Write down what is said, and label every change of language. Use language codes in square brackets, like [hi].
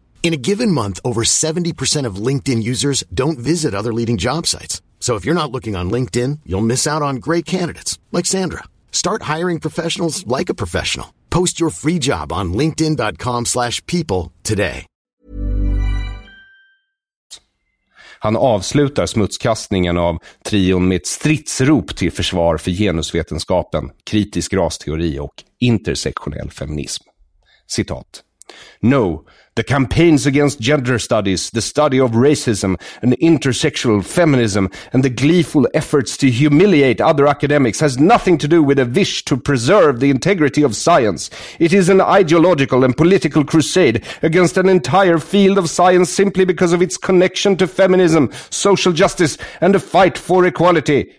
[en] In a given month, over 70% of LinkedIn users don't visit other leading job sites. So if you're not looking on LinkedIn, you'll miss out on great candidates, like Sandra. Start hiring professionals like a professional. Post your free job on linkedin.com/people today. [sv] Han avslutar smutskastningen av trion med ett stridsrop till försvar för genusvetenskapen, kritisk rasteori och intersektionell feminism. Citat. [en] No, the campaigns against gender studies, the study of racism and intersexual feminism and the gleeful efforts to humiliate other academics has nothing to do with a wish to preserve the integrity of science. It is an ideological and political crusade against an entire field of science simply because of its connection to feminism, social justice and a fight for equality.